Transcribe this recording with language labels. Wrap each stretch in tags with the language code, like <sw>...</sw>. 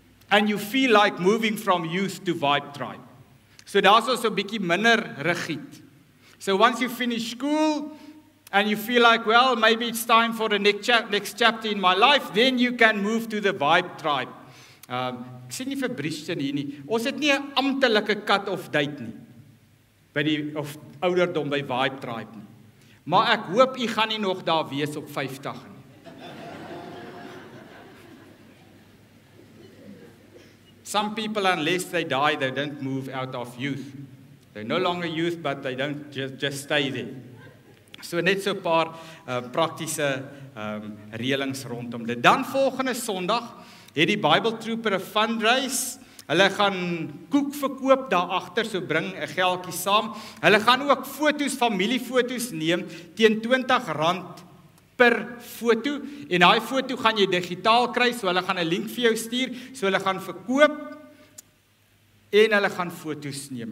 <en>And you feel like moving from youth to Vibe Tribe. So</en> <af>daar is also 'n bietjie minder rigied.</af> <en>So once you finish school and you feel like, well, maybe it's time for the next chapter in my life, then you can move to the Vibe Tribe.</en> <af>Ek sien nie vir Bristian hier nie. Ons het nie 'n amptelike cut-off date nie. By die of ouderdom by Vibe Tribe nie. Maar ek hoop u gaan nie nog daar wees op 50 nie.</af> <en>Some people, unless they die, they don't move out of youth. They're no longer youth, but they don't just stay there.</en> <af>So net so 'n paar praktiese reëlings rondom dit. Dan volgende Sondag het die Bible Trooper 'n fundraise. Hulle gaan koek verkoop daar agter, so bring 'n geldjie saam. Hulle gaan ook foto's, familiefoto's neem teen R20 per foto en daai foto gaan jy digitaal kry, so hulle gaan 'n link vir jou stuur, so hulle gaan verkoop en hulle gaan foto's neem.</af>